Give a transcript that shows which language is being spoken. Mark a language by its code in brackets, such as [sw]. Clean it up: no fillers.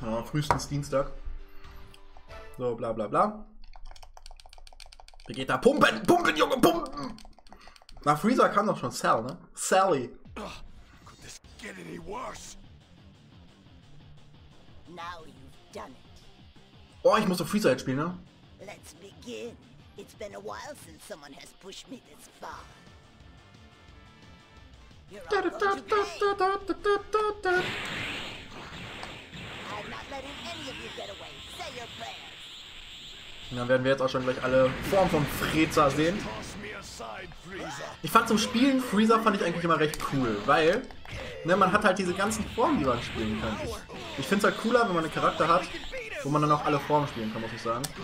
[de] Frühestens Dienstag. So, bla bla bla. Wie geht da? Pumpen! Pumpen, Junge, pumpen! Nach Freezer kam doch schon Cell, ne? Sally! [en] Could this get any worse? Now you've done it. [de] Oh, ich muss doch Freezer jetzt spielen, ne? [en] Let's begin. It's been a while since someone has pushed me this far. I'm not letting any of you get away. Say your prayers. [de] Und dann werden wir jetzt auch schon gleich alle Formen von Freezer sehen. Ich fand zum Spielen Freezer fand ich eigentlich immer recht cool, weil ne, man hat halt diese ganzen Formen, die man spielen kann. Ich find's halt cooler, wenn man einen Charakter hat, wo man dann auch alle Formen spielen kann, muss ich sagen.